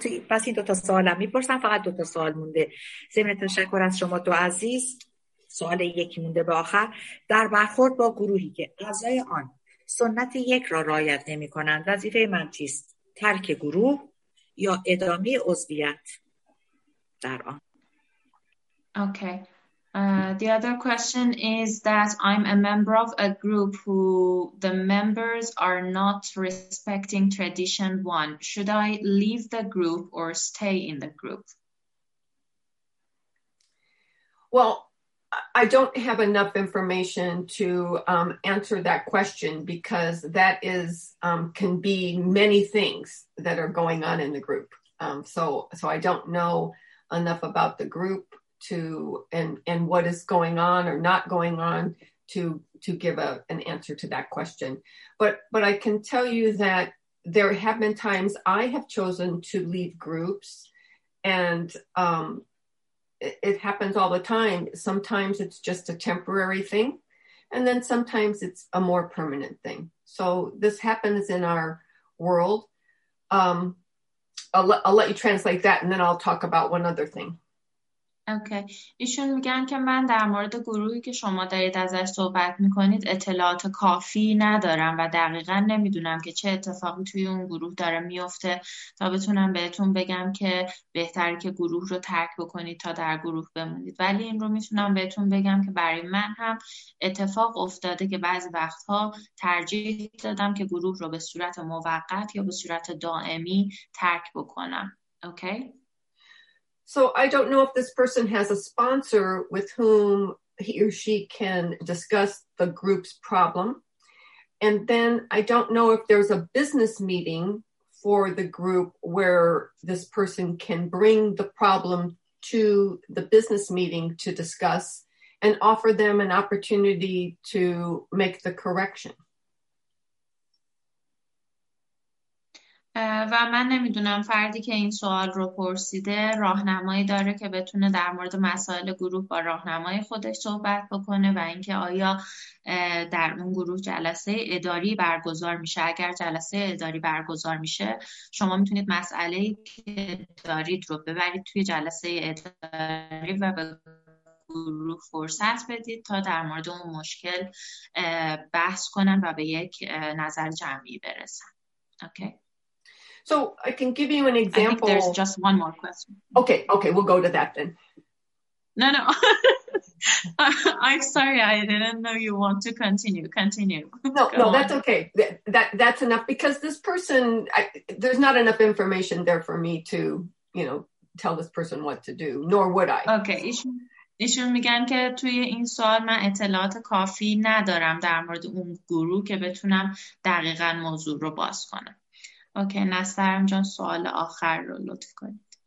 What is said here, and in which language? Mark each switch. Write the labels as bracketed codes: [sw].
[fa] پس این دو تا سوال هم میپرسم، فقط دو تا سوال مونده. ضمن تشکر از شما دو عزیز، سوال یکی مونده به آخر، در برخورد با گروهی که اعضای آن سنت یک را رعایت نمی کنند، وظیفه من چیست؟ ترک گروه یا ادامه عضویت در آن؟ Okay. [en] The other question is that I'm a member of a group who the members are not respecting tradition one. Should I leave the group or stay in the group? Well, I don't have enough information to answer that question because that is can be many things that are going on in the group. So I don't know enough about the group to and what is going on or not going on to give an answer to that question. But I can tell you that there have been times I have chosen to leave groups, and it happens all the time. Sometimes it's just a temporary thing, and then sometimes it's a more permanent thing. So this happens in our world. I'll let you translate that, and then I'll talk about one other thing. Okay. [fa] ایشون میگن که من در مورد گروهی که شما دارید ازش صحبت میکنید اطلاعات کافی ندارم و دقیقا نمیدونم که چه اتفاقی توی اون گروه داره میفته تا بتونم بهتون بگم که بهتره که گروه رو ترک بکنید تا در گروه بمونید، ولی این رو میتونم بهتون بگم که برای من هم اتفاق افتاده که بعضی وقتها ترجیح دادم که گروه رو به صورت موقت یا به صورت دائمی ترک بکنم. اوکی. [en] So I don't know if this person has a sponsor with whom he or she can discuss the group's problem. And then I don't know if there's a business meeting for the group where this person can bring the problem to the business meeting to discuss and offer them an opportunity to make the correction. [fa] و من نمیدونم فردی که این سوال رو پرسیده راهنمایی داره که بتونه در مورد مسائل گروه با راهنمای خودش صحبت بکنه و اینکه آیا در اون گروه جلسه اداری برگزار میشه. اگر جلسه اداری برگزار میشه شما میتونید مسئله که دارید رو ببرید توی جلسه اداری و به گروه فرصت بدید تا در مورد اون مشکل بحث کنن و به یک نظر جمعی برسن. اوکی. [en] So I can give you an example. I think there's just one more question. Okay, we'll go to that then. No. I'm sorry, I didn't know you want to continue. Continue. No, that's okay. That's enough because this person, there's not enough information there for me to, you know, tell this person what to do, nor would I. [fa] Okay, ایشون میگن که توی این سوال من اطلاعات کافی ندارم در مورد اون گروه که بتونم دقیقا موضوع رو باز کنم. اوکی، نسترم جان سوال آخر رو لطف کنید.